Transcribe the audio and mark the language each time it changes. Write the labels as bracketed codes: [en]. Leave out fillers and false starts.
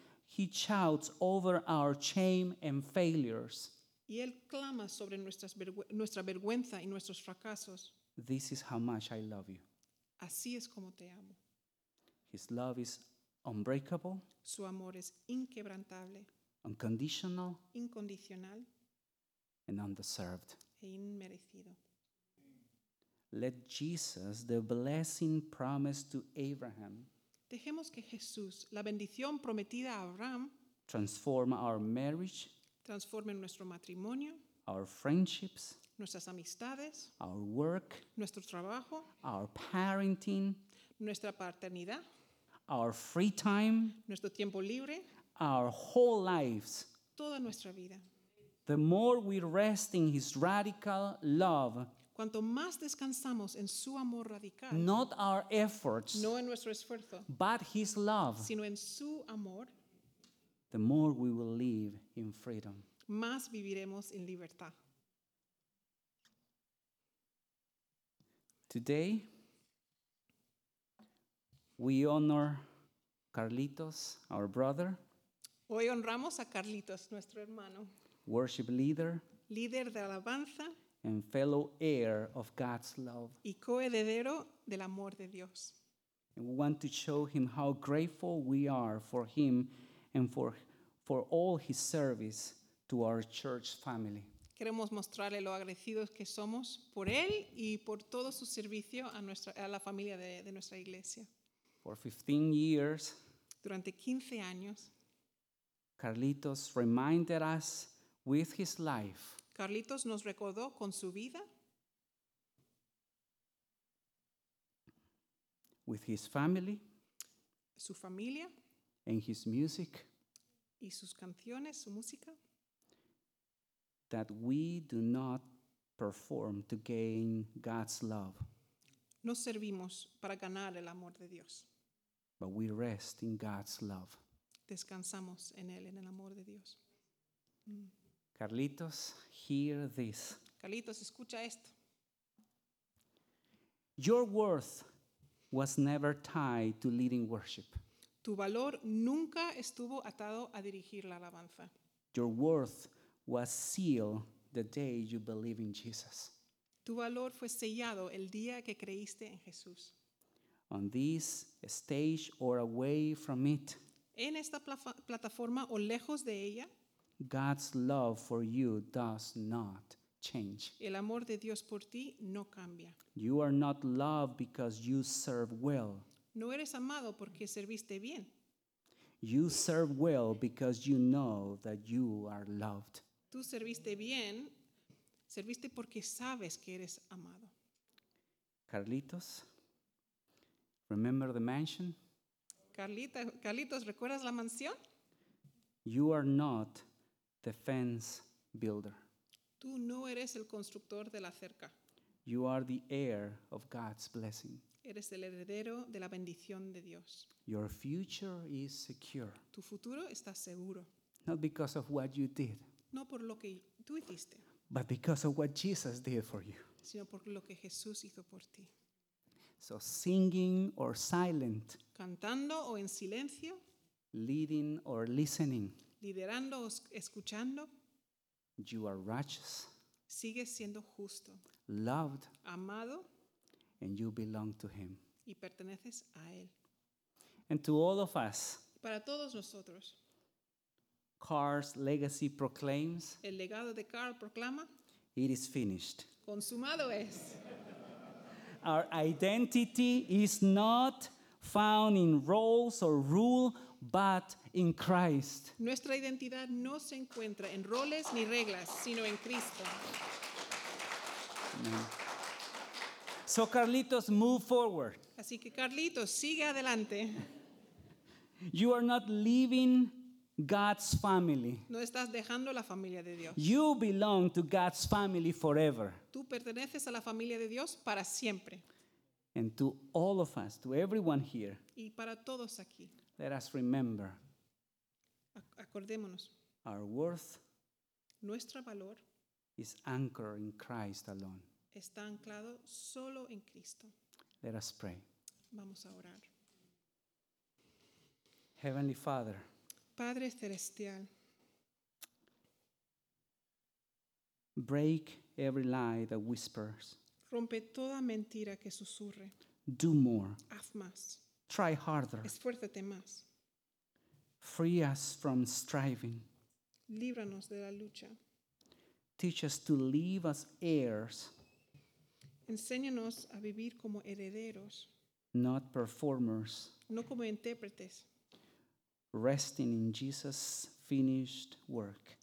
[en] He shouts over our shame and failures. [es] Y él clama sobre nuestra vergüenza y nuestros fracasos. [en] This is how much I love you. [es] Así es como te amo. [en] His love is unbreakable. [es] Su amor es inquebrantable. [en] Unconditional. [es] Incondicional. [en] And undeserved. [es] E inmerecido. [en] Let Jesus, the blessing promised to Abraham, [es] dejemos que Jesús, la bendición prometida a Abraham, [en] transform our marriage, [es] transforme nuestro matrimonio, [en] our friendships, [es] nuestras amistades, [en] our work, [es] nuestro trabajo, [en] our parenting, [es] nuestra paternidad, [en] our free time, [es] nuestro tiempo libre, [en] our whole lives, [es] toda nuestra vida. [en] The more we rest in his radical love, [es] cuanto más descansamos en su amor radical, [en] not our efforts, [es] no en nuestro esfuerzo, [en] but his love, [es] sino en su amor, [en] the more we will live in freedom. [es] Más viviremos en libertad. [en] Today, we honor Carlitos, our brother. [es] Hoy honramos a Carlitos, nuestro hermano. [en] Worship leader. [es] Líder de alabanza. [en] And fellow heir of God's love. [es] Y coheredero del amor de Dios. [en] And we want to show him how grateful we are for him and for all his service to our church family. [es] Queremos mostrarle lo agradecidos que somos por él y por todo su servicio a la familia de nuestra iglesia. [en] For 15 years, [es] durante 15 años. [en] Carlitos reminded us with his life. [es] Carlitos nos recordó con su vida. [en] With his family. [es] Su familia. [en] And his music. [es] Y sus canciones, su música. [en] That we do not perform to gain God's love. [es] No servimos para ganar el amor de Dios. [en] But we rest in God's love. [es] Descansamos en él, en el amor de Dios. [en] Carlitos, hear this. [es] Carlitos, escucha esto. [en] Your worth was never tied to leading worship. [es] Tu valor nunca estuvo atado a dirigir la alabanza. [en] Your worth was sealed the day you believed in Jesus. [es] Tu valor fue sellado el día que creíste en Jesús. [en] On this stage or away from it, [es] en esta plataforma o lejos de ella, [en] God's love for you does not change. [es] El amor de Dios por ti no cambia. [en] You are not loved because you serve well. [es] No eres amado porque serviste bien. [en] You serve well because you know that you are loved. [es] Tú serviste bien, serviste porque sabes que eres amado. [en] Carlitos, remember the mansion? [es] Carlitos, ¿recuerdas la mansión? [en] You are not the fence builder. [es] Tú no eres el constructor de la cerca. [en] You are the heir of God's blessing. [es] Eres el heredero de la bendición de Dios. [en] Your future is secure. [es] Tu futuro está seguro. [en] Not because of what you did. [es] No por lo que tú hiciste. [en] But because of what Jesus did for you. [es] Sino por lo que Jesús hizo por ti. [en] So singing or silent. [es] Cantando o en silencio. [en] Leading or listening. [es] Liderando o escuchando. [en] You are righteous. [es] Sigues siendo justo. [en] Loved. [es] Amado. [en] And you belong to him. [es] Y perteneces a él. [en] And to all of us. [es] Para todos nosotros. [en] Carl's legacy proclaims. [es] El legado de Carl proclama. [en] It is finished. [es] Consumado es. [en] Our identity is not found in roles or rule, but in Christ. [es] Nuestra identidad no se encuentra en roles ni reglas, sino en Cristo. [en] Amen. So Carlitos, move forward. [es] Así que Carlitos, sigue adelante. [en] You are not leaving God's family. [es] No estás dejando la familia de Dios. [en] You belong to God's family forever. [es] Tú perteneces a la familia de Dios para siempre. [en] And to all of us, to everyone here. [es] Y para todos aquí. [en] Let us remember. [es] Acordémonos. [en] Our worth. [es] Nuestro valor. [en] Is anchored in Christ alone. [es] Está anclado solo en Cristo. [en] Let us pray. [es] Vamos a orar. [en] Heavenly Father. [es] Padre celestial. [en] Break every lie that whispers. [es] Rompe toda mentira que susurre. [en] Do more. [es] Haz más. [en] Try harder. [es] Esfuérzate más. [en] Free us from striving. [es] Líbranos de la lucha. [en] Teach us to live as heirs. [es] Enséñanos a vivir como herederos. [en] Not performers. [es] No como intérpretes. [en] Resting in Jesus' finished work.